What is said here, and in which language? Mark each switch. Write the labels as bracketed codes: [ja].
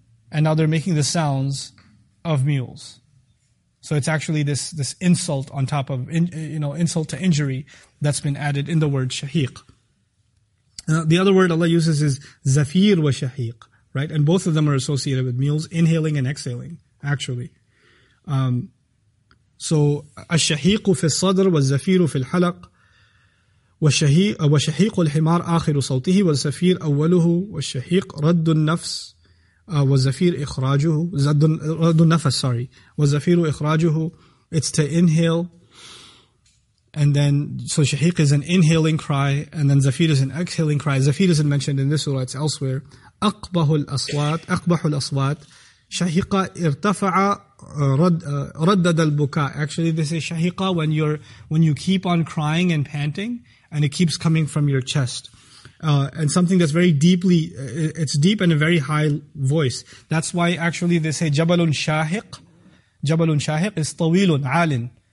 [en] And now they're making the sounds of mules. So it's actually this insult on top of, insult to injury that's been added in the word shahiq. The other word Allah uses is zafir wa shahiq. Right, and both of them are associated with mules, inhaling and exhaling, actually. [ar] So, الشهيق في الصدر والزفير في الحلق والشهيق الحمار آخر صوته والزفير أوله والشهيق رد النفس والزفير إخراجه رد النفس, sorry, والزفير إخراجه. [en] It's to inhale, and then, so shahiq is an inhaling cry, and then zafir is an exhaling cry. Zafir isn't mentioned in this surah, it's elsewhere. [ar] أقبح الأصوات شهيقة ارتفع ردد البكاء. [en] Actually, they say شهيقة when you keep on crying and panting, and it keeps coming from your chest. And something that's very deeply, it's deep and a very high voice. That's why actually they say [ar] جبل شاهق [en] is [ar] طويل عالٍ.